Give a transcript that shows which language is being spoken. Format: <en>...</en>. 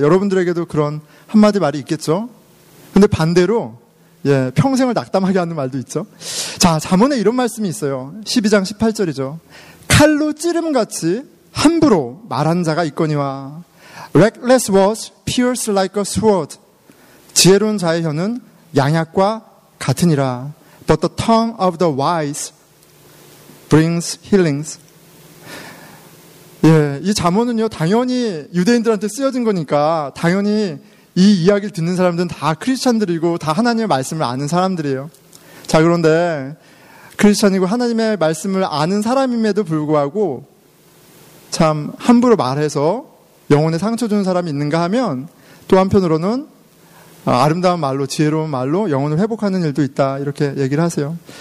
<ko>여러분들에게도 그런 한마디 말이 있겠죠? 근데 반대로, 예, 평생을 낙담하게 하는 말도 있죠? 자, 잠언에 이런 말씀이 있어요. 12장 18절이죠. 칼로 찌름같이 함부로 말한 자가 있거니와,</ko> <en>reckless words pierce like a sword.</en> <ko>지혜로운 자의 혀는 양약과 같으니라.</ko> <en>But the tongue of the wise brings healings.</en> <ko>예, 이 잠언은요, 당연히 유대인들한테 쓰여진 거니까, 당연히 이 이야기를 듣는 사람들은 다 크리스찬들이고, 다 하나님의 말씀을 아는 사람들이에요. 자, 그런데 크리스천이고 하나님의 말씀을 아는 사람임에도 불구하고 참 함부로 말해서 영혼에 상처 주는 사람이 있는가 하면, 또 한편으로는 아름다운 말로, 지혜로운 말로 영혼을 회복하는 일도 있다, 이렇게 얘기를 하세요.</ko>